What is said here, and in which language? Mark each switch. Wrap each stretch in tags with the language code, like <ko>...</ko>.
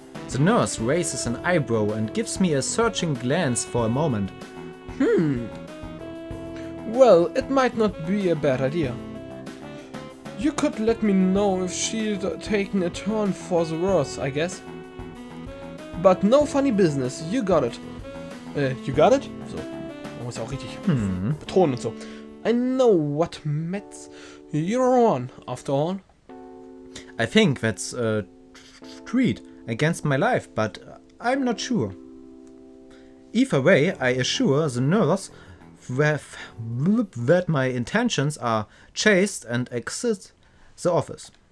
<en>The nurse raises an eyebrow and gives me a searching glance for a moment. Hmm. Well, it might not be a bad idea. You could let me know if she'd taken a turn for the worse, I guess. But no funny business, you got it. You got it?</en> <de>So, man muss auch richtig betonen und so.</de> <en>I know what meds you're on, after all. I think that's a treat against my life, but I'm not sure. Either way, I assure the nurse that my intentions are chaste and exit the office.</en>